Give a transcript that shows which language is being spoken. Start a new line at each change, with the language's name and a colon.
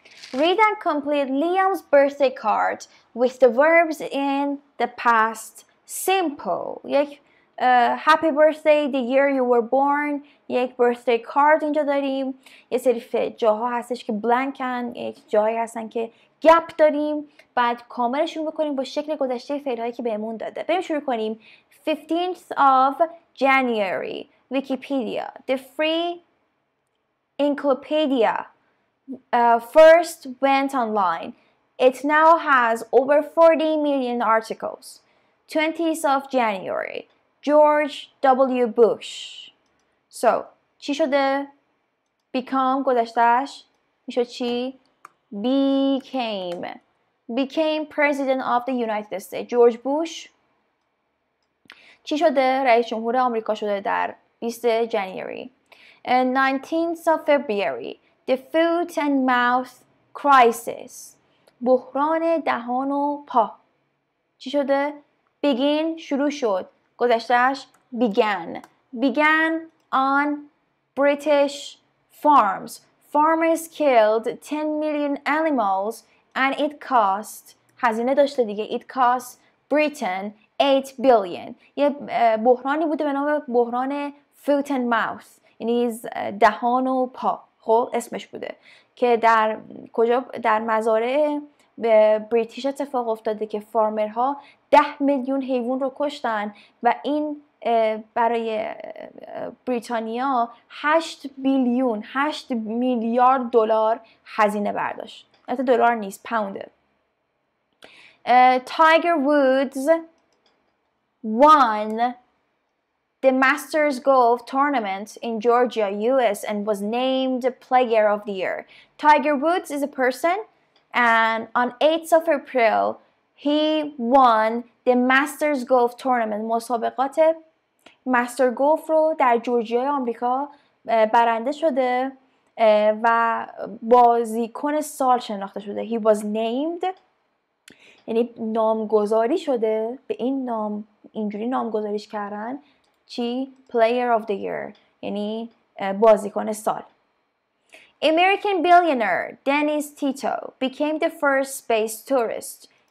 English: read and complete Liam's birthday card with the verbs in the past simple. یک happy birthday, the year you were born.
Persian: یک birthday card اینجا داریم. یه سری جاها هستش که بلانکن، یک جایی هستن که گپ داریم، بعد کاملشون بکنیم با شکل گذشته فعلهایی که بهمون داده. بریم شروع کنیم.
English: 15th of January Wikipedia. The free encyclopedia first went online. It now has over 40 million articles. 20th of January George W. Bush. So,
Persian: چی شده؟
English: Become
Persian: گذشتهش میشه چی؟
English: Became President of the United States. George Bush.
Persian: چی شده؟ رئیس جمهور آمریکا شده در 20 January.
English: And 19th of February, the foot and mouth crisis.
Persian: بحران دهان و پا. چی شده؟
English: Begin
Persian: شروع شد. گذشتهش
English: began. Began on British farms. Farmers killed 10 million animals and it cost,
Persian: هزینه داشته دیگه,
English: it cost Britain 8 billion.
Persian: یه بحرانی بوده به نام بحران
English: foot and mouth.
Persian: یعنی دهان و پا. خب اسمش بوده. که در کجا در مزارع به بریتیش اتفاق افتاده که فارمرها 10 میلیون حیوان رو کشتن و این برای بریتانیا 8 میلیارد دلار هزینه برداشت. البته دلار نیست، پاونده.
English: Tiger Woods won The Masters Golf Tournament in Georgia, US and was named Player of the Year. Tiger Woods is a person and on 8th of April he won the Masters Golf Tournament.
Persian: مسابقات Master Golf رو در جورجیا آمریکا برنده شده و بازیکن سال شناخته شده.
English: He was named,
Persian: یعنی نامگذاری شده به این نام، اینجوری نامگذاریش کردن. چی؟
English: Player of the Year
Persian: یعنی بازیکن سال.
English: American billionaire Dennis Tito became the first space tourist.